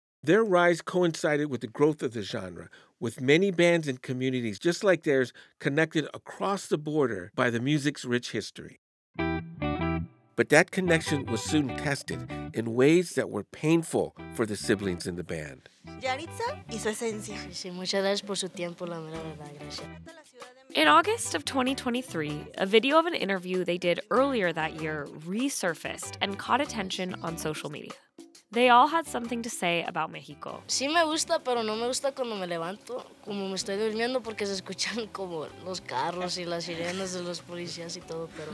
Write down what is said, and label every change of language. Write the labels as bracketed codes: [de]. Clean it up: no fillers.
[en] Their rise coincided with the growth of the genre, with many bands and communities just like theirs connected across the border by the music's rich history. But that connection was soon tested in ways that were painful for the siblings in the band. [es] Yaritza y su esencia. Sí, sí, muchas gracias por su tiempo, la verdad, gracias. [en] In August of 2023, a video of an interview they did earlier that year resurfaced and caught attention on social media. They all had something to say about Mexico. [es] Sí me gusta, pero no me gusta cuando me levanto, como me estoy durmiendo, porque se escuchan como los carros y las sirenas de los policías y todo, pero...